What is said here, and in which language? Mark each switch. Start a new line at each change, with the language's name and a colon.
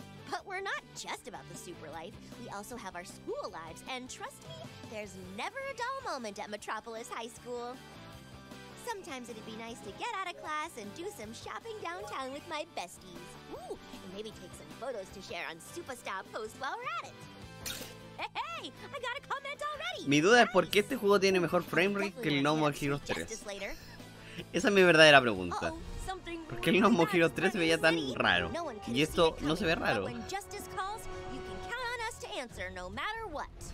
English: But we're not just about the super life. We also have our school lives, and trust me, there's never a dull moment at Metropolis High School. Sometimes it'd be nice to get out of class and do some shopping downtown with my besties. Ooh, and maybe take some photos to share on Superstar Post while we're at it. Hey, I got a comment already.
Spanish: Mi duda es por qué este juego tiene mejor frame rate que el No More Heroes 3. Esa es mi verdadera pregunta. ¿Por qué el No More Heroes 3 se veía tan raro? Y esto no se ve raro.
English: When justice calls, you can count on us to answer no matter what.